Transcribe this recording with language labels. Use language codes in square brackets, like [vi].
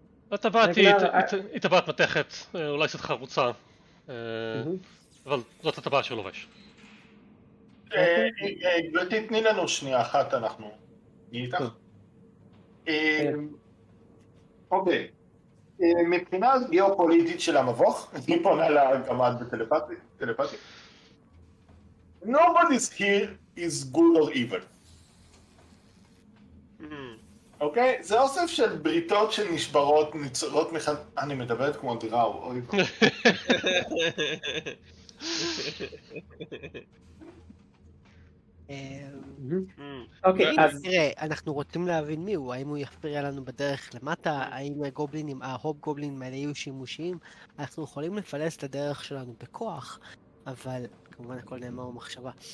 [he] הטבעת היא טבעת מתכת, אולי קצת חרוצה, אבל זאת הטבעת של לובש. גברתי, תני לנו שנייה אחת, אנחנו איתך. אוקיי, מבחינה גיאופוליטית של המבוך, אני פונה לגמד בטלפתיה. [en] Nobody's here is good or evil. [he] אוקיי? זה אוסף של בריתות שנשברות, נצרות מחד... אני מדברת כמו דירה, אוי בו. אוקיי, אז תראה, אנחנו רוצים להבין מי הוא, האם הוא יפריע לנו בדרך למטה, האם הגובלינים, ההוב גובלינים האלה יהיו שימושיים, אנחנו יכולים לפלס את הדרך שלנו בכוח, אבל כמובן הכל נאמר במחשבה.